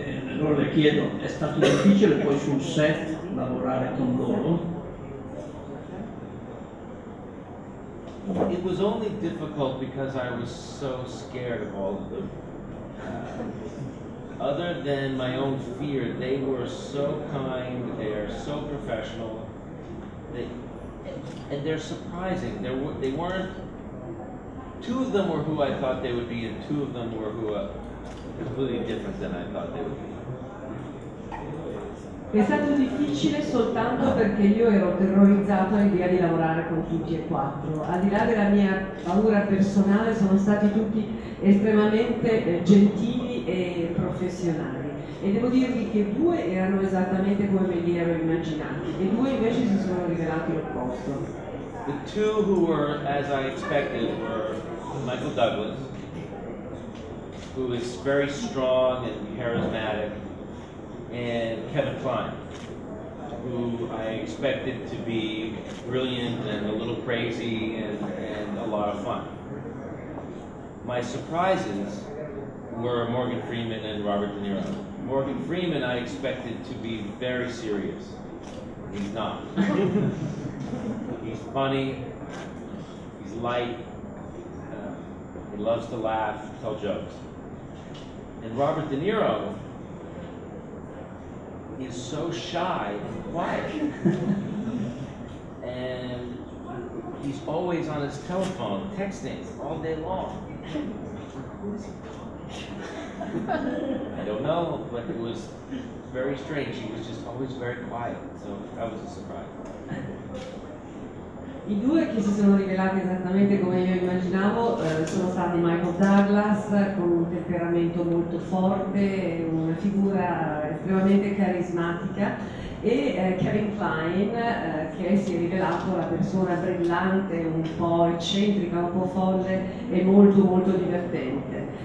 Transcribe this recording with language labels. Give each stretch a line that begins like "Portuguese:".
Italian: Allora le chiedo, è stato difficile poi sul set lavorare con loro?
English: It was only difficult because I was so scared of all of them. Other than my own fear, they were so kind, they are so professional, and they're surprising. They weren't, two of them were who I thought they would be, and two of them were who completely different than I thought they would be.
Italian: È stato difficile soltanto perché io ero terrorizzato all'idea di lavorare con tutti e quattro. Al di là della mia paura personale, sono stati tutti estremamente gentili e professionali. E devo dirvi che due erano esattamente come me li ero immaginati, e due invece si sono rivelati l'opposto.
English: The two who were, as I expected, were Michael Douglas, who is very strong and charismatic, and Kevin Kline, who I expected to be brilliant and a little crazy and a lot of fun. My surprises were Morgan Freeman and Robert De Niro. Morgan Freeman I expected to be very serious. He's not. He's funny, he's light, he loves to laugh, tell jokes. And Robert De Niro, he's so shy and quiet, and he's always on his telephone texting all day long. I don't know, but it was very strange. He was just always very quiet, so that was a surprise.
Italian: I due che si sono rivelati esattamente come io immaginavo sono stati Michael Douglas, con un temperamento molto forte, una figura estremamente carismatica, Kevin Kline, che si è rivelato una persona brillante, un po' eccentrica, un po' folle e molto molto divertente.